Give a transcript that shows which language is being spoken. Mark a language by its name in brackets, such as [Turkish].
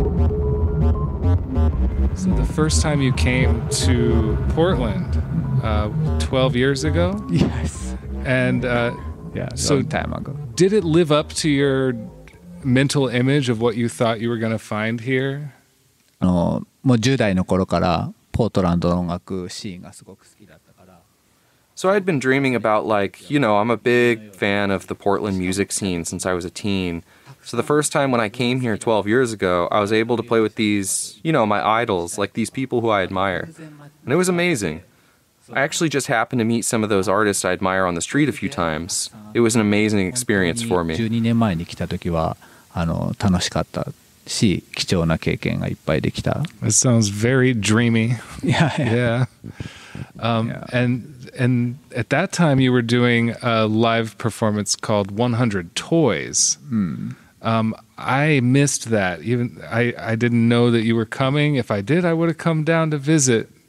[English] wasn't the first time you came to Portland, 12 years ago. Yes. And long time ago. Did it live up to your mental image of what you thought you were going to find here? [Japanese] もう10代の頃からポートランドの音楽シーンがすごく好きだったから。 [English] So I'd been dreaming about, like, you know, I'm a big fan of the Portland music scene since I was a teen. So the first time when I came here 12 years ago, I was able to play with these, you know, my idols, like these people who I admire. And it was amazing. I actually just happened to meet some of those artists I admire on the street a few times. It was an amazing experience for me. [Japanese] 12年前に来た時は、楽しかったし、貴重な経験がいっぱいできた。 [English] It sounds very dreamy. Yeah. And at that time you were doing a live performance called 100 Toys. Mm. I missed that. Even I didn't know that you were coming. If I did, I would have come down to visit.